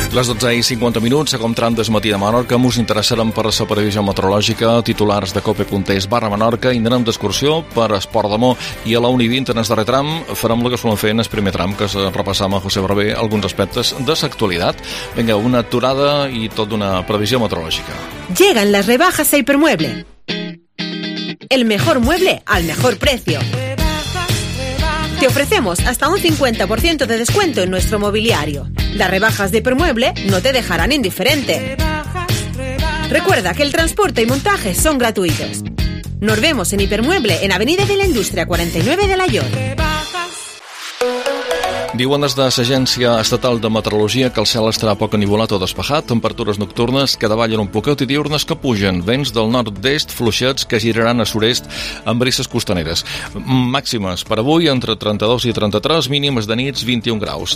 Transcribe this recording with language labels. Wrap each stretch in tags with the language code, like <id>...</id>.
<ca>Les 12 i 50 minuts, a Comtran des matí de Menorca, us interessarem per la previsió meteorològica, titulars de cope.es/Menorca, i anem d'excursió per Esport d'Amor. I a la 1:20, en el darrer tram, farem el que solen fer en el primer tram, que és repassar amb José Barber alguns aspectes de l'actualitat. Vinga, una aturada i tot d'una previsió meteorològica.</ca> <es>Llegan las rebajas a Hipermueble. El mejor mueble al mejor precio. Te ofrecemos hasta un 50% de descuento en nuestro mobiliario. Las rebajas de Hipermueble no te dejarán indiferente. Recuerda que el transporte y montaje son gratuitos. Nos vemos en Hipermueble en Avenida de la Industria 49 de Layón.</es> <ca>Diuen des de l'Agència Estatal de Meteorologia que el cel estarà poc anivolat o despejat, temperatures nocturnes que davallen un poquet i diurnes que pugen, vents del nord-est fluixets que giraran a sud-est amb brises costaneres. Màximes per avui entre 32 i 33, mínimes de nits 21 graus.</ca>